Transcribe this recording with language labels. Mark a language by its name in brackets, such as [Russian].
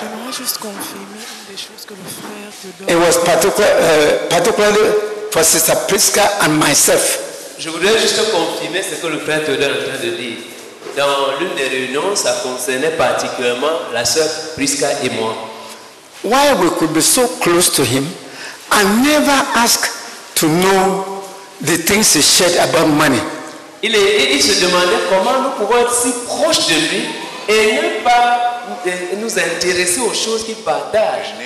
[French] J'aimerais juste confirmer des choses que le frère. [English] It was particularly for Sister Prisca and myself. [French] Je voudrais juste confirmer ce que le frère Théodore est en train de dire. Dans l'une des réunions, ça concernait particulièrement la sœur Prisca et moi. [English] Why we could be so close to him and never ask to know the things he shared about money? [French] Il se demandait comment nous pouvons être si proches de lui et ne pas nous intéresser aux choses qu'il partage.